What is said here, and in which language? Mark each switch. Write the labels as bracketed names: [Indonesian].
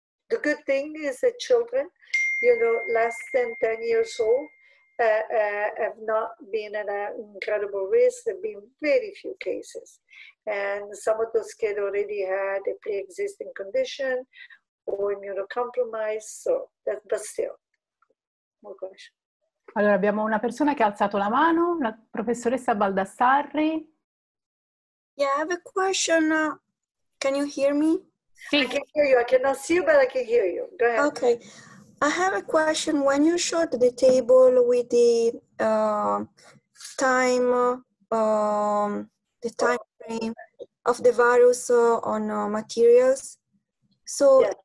[English] The good thing is that children, you know, less than 10 years old, have not been at an incredible risk. There have been very few cases. And some of those kids already had a pre-existing condition or immunocompromised. So, but still, more questions. [Italian] Allora, abbiamo una persona che ha alzato la mano, la professoressa Baldassarri. [English] Yeah, I have a question. Can you hear me? Sì. I can hear you. I cannot see you, but I can hear you. Go ahead. Okay. I have a question. When you showed the table with the time frame of the virus on materials, so yeah.